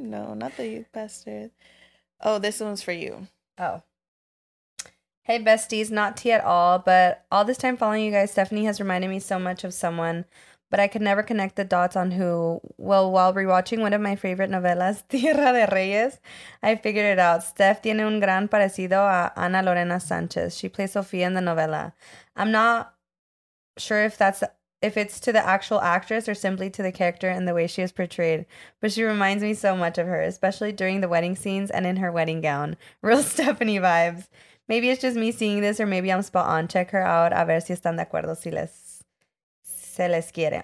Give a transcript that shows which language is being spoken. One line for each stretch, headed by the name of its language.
English: No, not the youth pastor. Oh, this one's for you. Oh. Hey, besties, not tea at all, but all this time following you guys, Stephanie has reminded me so much of someone, but I could never connect the dots on who. Well, while rewatching one of my favorite novelas, Tierra de Reyes, I figured it out.
Spanish: Steph tiene un gran parecido a Ana Lorena Sanchez.
English: She plays Sofia in the novela. I'm not sure if it's to the actual actress or simply to the character and the way she is portrayed, but she reminds me so much of her, especially during the wedding scenes and in her wedding gown. Real Stephanie vibes. Maybe it's just me seeing this, or maybe I'm spot on. Check her out.
Spanish: A ver si están de acuerdo si les se les quiere.